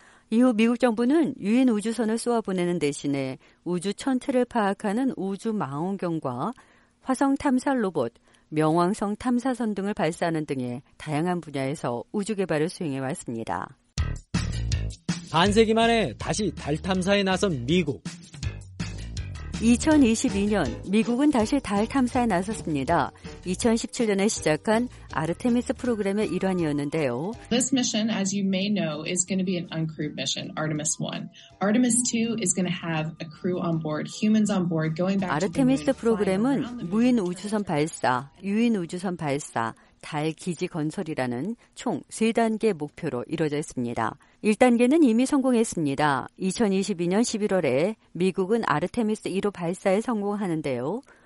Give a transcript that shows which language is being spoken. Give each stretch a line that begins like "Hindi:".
Korean: 이후 미국 정부는 유인 우주선을 쏘아보내는 대신에 우주 천체를 파악하는 우주 망원경과 화성 탐사 로봇, 명왕성 탐사선 등을 발사하는 등의 다양한 분야에서 우주 개발을 수행해왔습니다. 반세기 만에 다시 달 탐사에 나선 미국. 2022년 미국은 다시 달 탐사에 나섰습니다. 2017년에 시작한 아르테미스 프로그램의 일환이었는데요.
English: This mission, as you may know, is going to be an uncrewed mission, Artemis 1. Artemis 2 is going to have a crew on board, humans on board, going back to the moon.
Korean: 아르테미스 프로그램은 무인 우주선 발사, 유인 우주선 발사, 달 기지 건설이라는 총 3단계 목표로 이루어져 있습니다. 1단계는 이미 성공했습니다. 2022년 11월에 미국은 아르테미스 1호 발사에 성공하는데요.